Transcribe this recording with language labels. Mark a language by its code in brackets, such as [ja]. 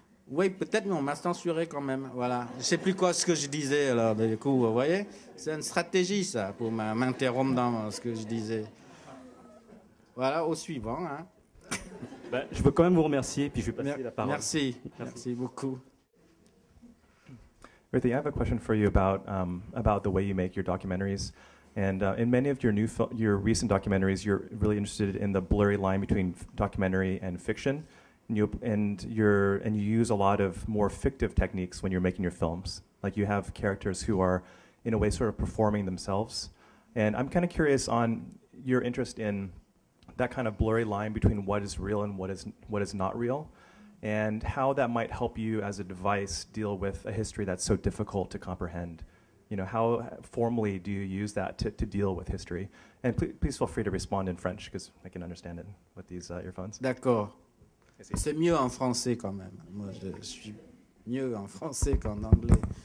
[fr] Oui, peut-être, mais on m'a censuré quand même. Voilà. Je ne sais plus quoi ce que je disais. Alors, du coup, vous voyez, c'est une stratégie, ça, pour m'interrompre dans ce que je disais. Voilà, au suivant. Hein. Ben, je veux quand même vous remercier, puis je vais passer la parole. Merci. Merci beaucoup. [en] Ruthie, I have a question for you about the way you make your documentaries. And in many of your recent documentaries, you're really interested in the blurry line between documentary and fiction. And you use a lot of more fictive techniques when you're making your films. Like you have characters who are, in a way, sort of performing themselves. And I'm kind of curious on your interest in that kind of blurry line between what is real and what is not real, and how that might help you as a device deal with a history that's so difficult to comprehend. You know, how formally do you use that to deal with history? And please feel free to respond in French because I can understand it with these earphones. [fr] D'accord. C'est mieux en français quand même. Moi, je suis mieux en français qu'en anglais.